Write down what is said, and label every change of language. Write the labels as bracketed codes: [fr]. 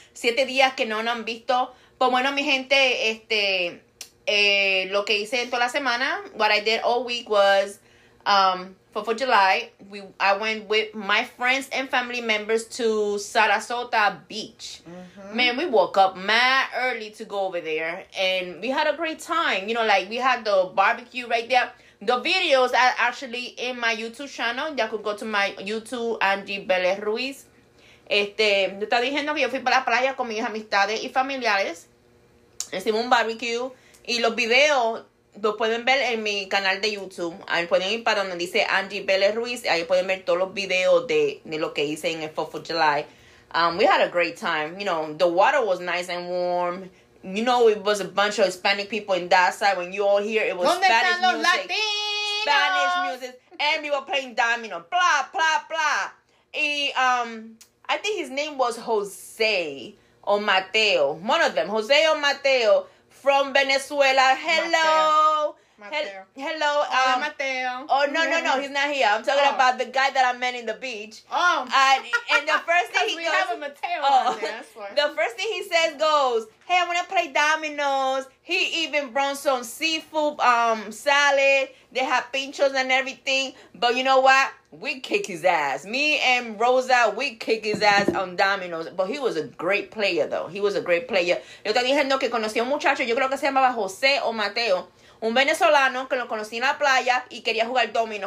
[es] 7 días que no nos han visto. [en] But [es] bueno, mi gente, lo que hice en toda la semana, [en] what I did all week was, for July, I went with my friends and family members to Sarasota Beach. Mm-hmm. Man, we woke up mad early to go over there, and we had a great time. You know, like, we had the barbecue right there. The videos are actually in my YouTube channel. Ya could go to my YouTube, Angie Belez Ruiz. [es] Yo estaba diciendo que yo fui para la playa con mis amistades y familiares. Hicimos un barbecue, y los videos lo pueden ver en mi canal de YouTube. Ahí pueden ir para donde dice Angie Vélez Ruiz. Ahí pueden ver todos los videos de lo que hice en el 4th of July. [en] We had a great time. You know, the water was nice and warm. You know, it was a bunch of Hispanic people in that side. When you all hear, it was Spanish music. [es] ¿Dónde están los Latinos? [en] Spanish music. And we were playing domino. Blah, blah, blah. I think his name was Jose or Mateo. One of them. Jose or Mateo from Venezuela. Hello. Hello. [es] Hola, Mateo. [en] Oh, no. He's not here. I'm talking about the guy that I met in the beach. And the first thing he goes. Because we have a Mateo on there. The first thing he says goes, hey, I'm going to play dominoes. He even brought some seafood salad. They have pinchos and everything. But you know what? We kick his ass. Me and Rosa, we kick his ass on dominoes. But he was a great player, though. He was a great player. [es] Yo te dije, no, que conocí a un muchacho. Yo creo que se llamaba José o Mateo. Un venezolano que lo conocí en la playa y quería jugar domino.